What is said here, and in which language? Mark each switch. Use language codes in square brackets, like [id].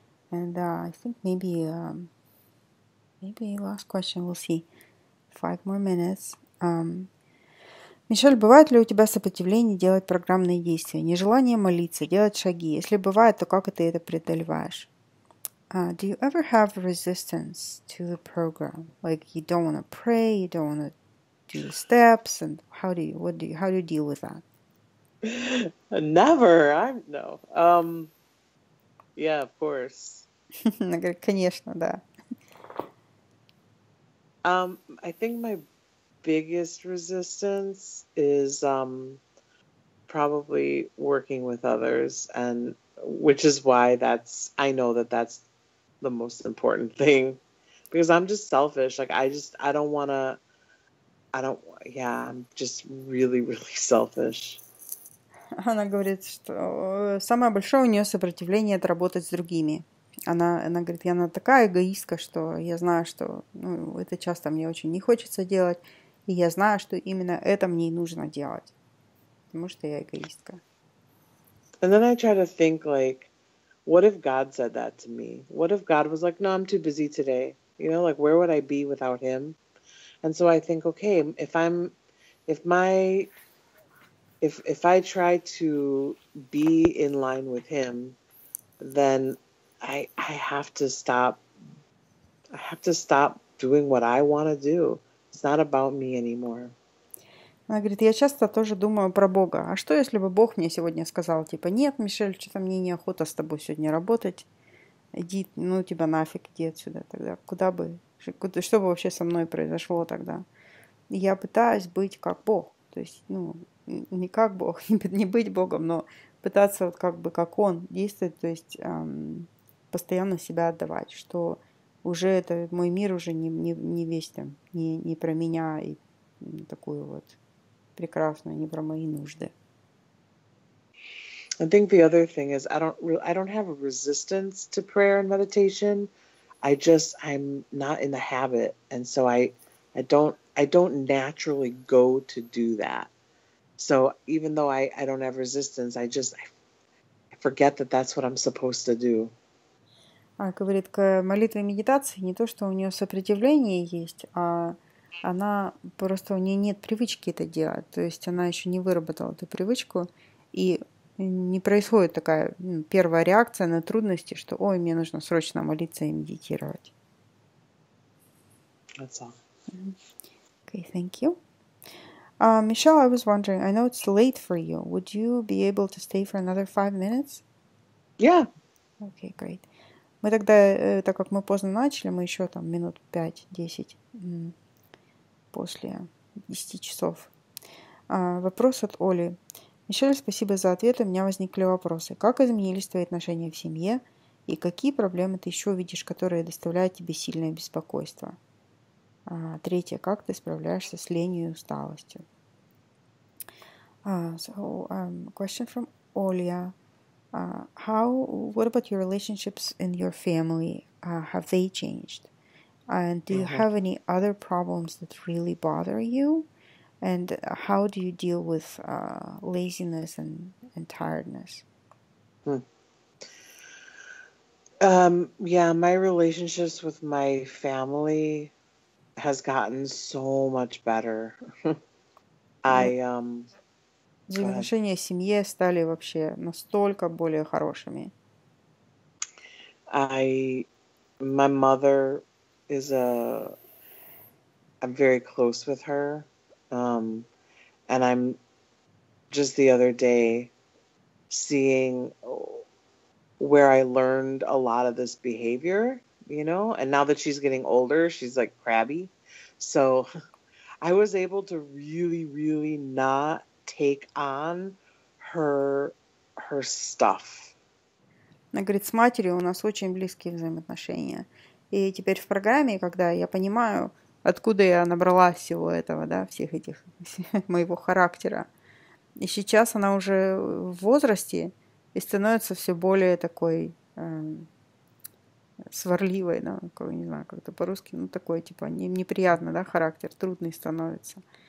[en] And I think maybe last question, we'll see. 5 more minutes. [ru] Мишель, бывает ли у тебя сопротивление делать программные действия, нежелание молиться, делать шаги? Если бывает, то как ты это преодолеваешь? [en] Do you ever have resistance to the program? Like you don't want to pray, you don't want to do the steps, and how do you deal with that? Never. Yeah, of course. [ru] Она говорит, конечно, да. [en] I think my biggest resistance is probably working with others, and which is why I know that's the most important thing, because I'm just selfish. Like I'm just really, really selfish. [ru] Она говорит, что самое большое у нее сопротивление — это работать с другими. Она говорит, я такая эгоистка, что я знаю, что это часто мне очень не хочется делать, и я знаю, что именно это мне и нужно делать, потому что я эгоистка. [en] And then I try to think, like, what if God said that to me? What if God was like, no, I'm too busy today? You know, like, where would I be without him? And so I think, okay, if I try to be in line with him, then I have to stop doing what I want to do. It's not about me anymore. [ru] Она говорит, я часто тоже думаю про Бога. А что, если бы Бог мне сегодня сказал, типа, нет, Мишель, что-то мне неохота с тобой сегодня работать. Иди, ну тебя нафиг, иди отсюда тогда. Куда бы, что бы вообще со мной произошло тогда? Я пытаюсь быть как Бог. То есть, ну, не как Бог, не быть Богом, но пытаться вот как бы как Он действовать, то есть постоянно себя отдавать, что уже это, мой мир уже не весь там, не про меня и такую вот прекрасную, не про мои нужды. [en] I think the other thing is I don't have a resistance to prayer and meditation. I'm not in the habit, and so I don't naturally go to do that. So even though I don't have resistance, I forget that that's what I'm supposed to do. [ru] А говорит, к молитве и медитации не то, что у нее сопротивление есть, а она просто, у нее нет привычки это делать. То есть она еще не выработала эту привычку, и не происходит такая первая реакция на трудности, что ой, мне нужно срочно молиться и медитировать. [en] That's all. Okay, thank you. Michelle, I was wondering, I know it's late for you. Would you be able to stay for another 5 minutes? Yeah. Okay, great. [ru] Мы тогда, так как мы поздно начали, мы еще там минут 5-10 после 10 часов. Вопрос от Оли. Мишель, спасибо за ответы. У меня возникли вопросы. Как изменились твои отношения в семье? И какие проблемы ты еще видишь, которые доставляют тебе сильное беспокойство? Третье. Как ты справляешься с ленью и усталостью? [en] Question from Olya. What about your relationships in your family? Have they changed? And do you have any other problems that really bother you? And how do you deal with laziness and tiredness? My relationships with my family has gotten so much better. [ru] Взаимоотношения в семье стали вообще настолько более хорошими. [en] My mother is I'm very close with her. And I'm just the other day seeing where I learned a lot of this behavior, you know, and now that she's getting older, she's like crabby. So I was able to really, really not take on her stuff. [ru] Она говорит, с матерью у нас очень близкие взаимоотношения. И теперь в программе, когда я понимаю, откуда я набрала всего этого, да, всех этих, моего характера. И сейчас она уже в возрасте и становится все более такой сварливой, да, какой, не знаю, как-то по-русски, ну, такой, типа, неприятный, да, характер, трудный становится.